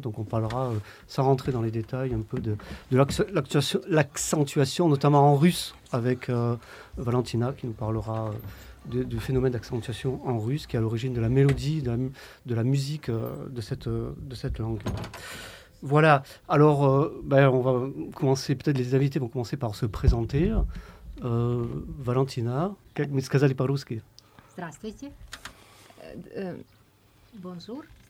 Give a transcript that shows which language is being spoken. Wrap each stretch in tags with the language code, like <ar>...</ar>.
<fr>Donc on parlera, sans rentrer dans les détails, un peu de l'accentuation, notamment en russe, avec Valentina, qui nous parlera du phénomène d'accentuation en russe, qui est à l'origine de la mélodie, de la musique de cette langue. Voilà, alors on va commencer, peut-être les invités vont commencer par se présenter.</fr> <ru>Valentina, как мы сказали по-русски? Здравствуйте.</ru> <fr>Bonjour,</fr>